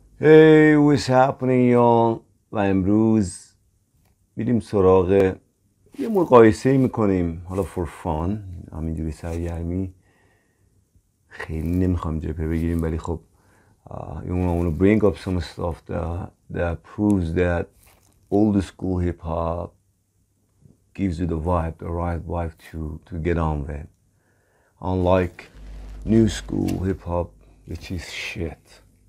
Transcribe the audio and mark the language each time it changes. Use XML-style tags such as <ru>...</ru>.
<en>Hey, what's happening, y'all?</en> <fa>و امروز میریم سراغ یه مقایسه میکنیم، حالا</fa> <en>for fun،</en> <fa>همینجوری سرگرمی. خیلی نمیخوام جبهه بگیریم، ولی خب</fa> <en>you want to bring up some stuff that proves that old school hip hop gives you the right vibe to get on with, unlike new school hip hop which is shit.</en>